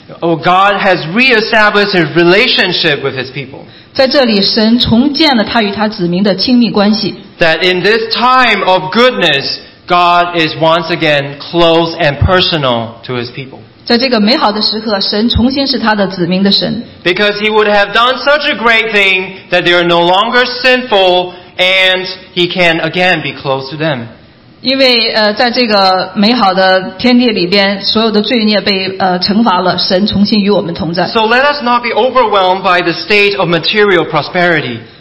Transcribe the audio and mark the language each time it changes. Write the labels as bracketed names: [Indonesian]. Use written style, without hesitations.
[English] Oh, God has reestablished His relationship with His people. [Chinese] 在这里，神重建了他与他子民的亲密关系。 [English] That in this time of goodness, God is once again close and personal to His people. [Chinese] 在这个美好的时刻，神重新是他的子民的神。 [English] Because He would have done such a great thing that they are no longer sinful, and He can again be close to them. [Chinese] 因为在这个美好的天地里边，所有的罪孽被惩罚了，神重新与我们同在。 [English] So let us not be overwhelmed by the state of material prosperity.